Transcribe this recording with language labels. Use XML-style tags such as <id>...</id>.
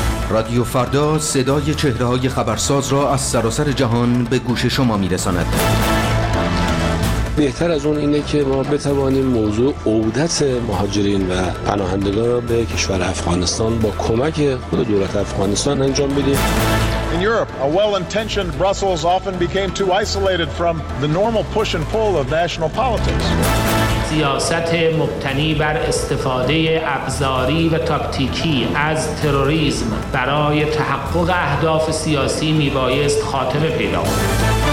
<fa>رادیو فردا صدای چهره‌های خبرساز را از سراسر جهان به گوش شما می‌رساند. بهتر از اون اینه که ما بتوانیم موضوع عودت مهاجرین و پناهندگان را به کشور افغانستان با کمک خود دولت افغانستان انجام بدیم.</fa> <en>In Europe, a well-intentioned Brussels often became too isolated from the normal push and pull of national politics.</en> <fa>سیاست مبتنی بر استفاده ابزاری و تاکتیکی از تروریسم برای تحقق اهداف سیاسی میبایست خاتمه پیدا کند.</fa>